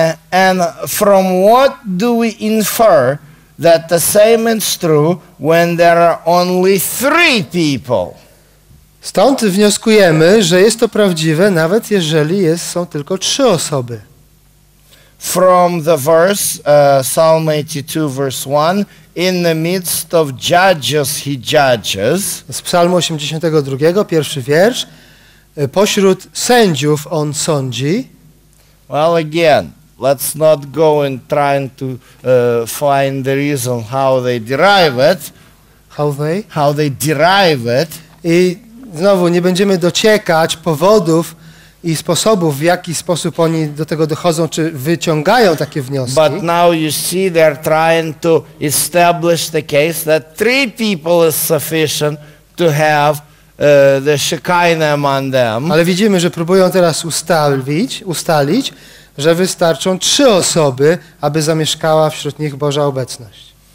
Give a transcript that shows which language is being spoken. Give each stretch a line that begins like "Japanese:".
English: And from what do we infer that the same is true when there are only 3 people?
Polish: Stąd wnioskujemy, że jest to prawdziwe, nawet jeżeli są tylko 3 osoby.
English: From the verse, Psalm 82, verse 1, in the midst of judges he judges.
Polish: Z Psalmu 82, pierwszy wiersz, pośród sędziów on sądzi.
English: Well, again, let's not go and trying to find the reason how they derive it. How they derive it.
Polish: I znowu nie będziemy dociekać powodów i sposobów, w jaki sposób oni do tego dochodzą, czy wyciągają takie wnioski.
English: But now you see they're trying to establish the case that 3 people is sufficient to have the Shekinah among them.
Polish: Ale widzimy, że próbują teraz ustalić, że wystarczą 3 osoby, aby zamieszkała wśród nich Boża obecność.